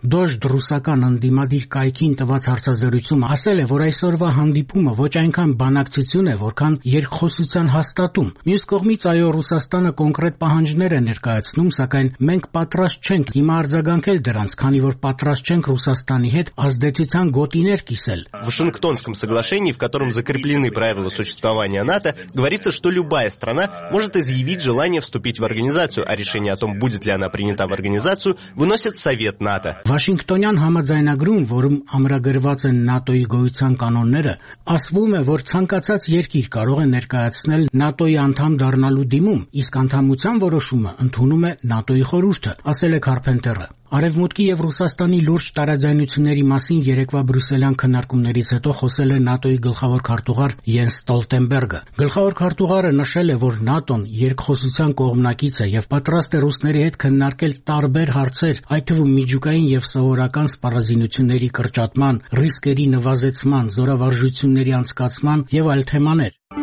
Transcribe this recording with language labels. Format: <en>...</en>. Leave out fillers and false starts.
<hy>դժդ ռուսական ընդդիմադիր կայքին տված հարցազրույցում ասել է, որ այսօրվա հանդիպումը ոչ այնքան բանակցություն է, որքան երկխոսության հաստատում։ Մյուս կողմից, այո, Ռուսաստանը կոնկրետ պահանջներ է ներկայացնում, սակայն մենք պատրաստ չենք հիմա արձագանքել դրանց, քանի որ պատրաստ չենք Ռուսաստանի հետ ազդեցության գոտիներ</hy> <ru>подписал. В Вашингтонском соглашении, в котором закреплены правила существования НАТО, говорится, что любая страна может изъявить желание вступить в организацию, а решение о том, будет ли она принята в организацию, выносит Совет НАТО.</ru> <hy>Вашингтонян համաձայնագրում, որում ամրագրված են ՆԱՏՕ-ի գոյության կանոնները, ասվում է, որ ցանկացած երկիր կարող է ներկայացնել ՆԱՏՕ-ի անդամ դառնալու դիմում, իսկ անդամության որոշումը ընդունում է ՆԱՏՕ-ի խորհուրդը, ասել է Կարպենտերը. Արևմուտքի և Ռուսաստանի լուրջ տարաձայնությունների մասին երեկվա Բրյուսելյան քննարկումներից հետո խոսել է ՆԱՏՕ-ի գլխավոր քարտուղար Յենս Ստոլտենբերգը։ Գլխավոր քարտուղարը նշել է, որ ՆԱՏՕ-ն երկխոսության կողմնակից է և պատրաստ է ռուսների հետ քննարկել տարբեր հարցեր, այդ թվում միջուկային և սովորական սպառազինությունների կրճատման, ռիսկերի նվազեցման, զորավարժությունների անցկացման և այլ թեմաներ։</hy>